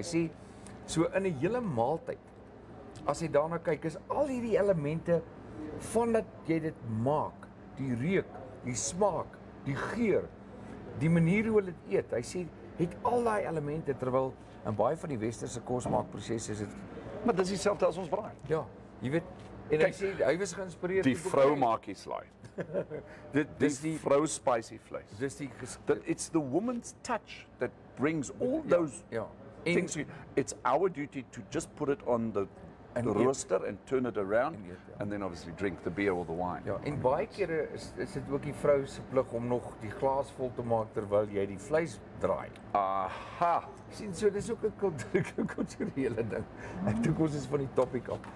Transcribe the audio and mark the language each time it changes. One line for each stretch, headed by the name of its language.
Afrikaans: Hy sê so in 'n hele maaltyd as jy daarna kyk, is al hierdie elemente vandat jy dit maak, die reuk, die smaak, die geur, die manier hoe hulle dit eet, hy sê het al daai elemente terwyl in baie van die westerse kosmaakprosesse is dit maar dis dieselfde as ons braai. Ja, jy weet en kijk, hy sê hy was geïnspireer die vrou maak die slaai. Dit dis die vrou spicy vleis. Dis die
English: it's the woman's touch that brings all those things. It's our duty to just put it on the rooster and turn it around and then obviously drink the beer or the wine.
Afrikaans: Ja, en baie kere is dit ook die vrou se plig om nog die glas vol te maak terwyl jy die vleis draai. Aha. Sien, so dis ook 'n kulturele ding. Ek dink ons is van die topic af.